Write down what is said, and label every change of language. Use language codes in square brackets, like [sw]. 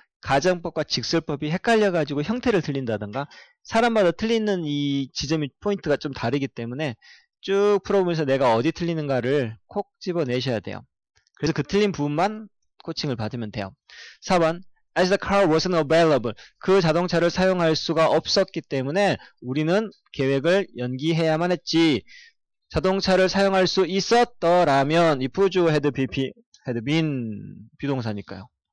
[ko] 가정법과 직설법이 헷갈려가지고 형태를 틀린다든가, 사람마다 틀리는 이 지점이 포인트가 좀 다르기 때문에 쭉 풀어보면서 내가 어디 틀리는가를 콕 집어내셔야 돼요. 그래서 그 틀린 부분만 코칭을 받으면 돼요. 4번, [en] As the car wasn't available. [ko] 그 자동차를 사용할 수가 없었기 때문에 우리는 계획을 연기해야만 했지. 자동차를 사용할 수 있었더라면, [en] if you had been, [ko] 비동사니까요.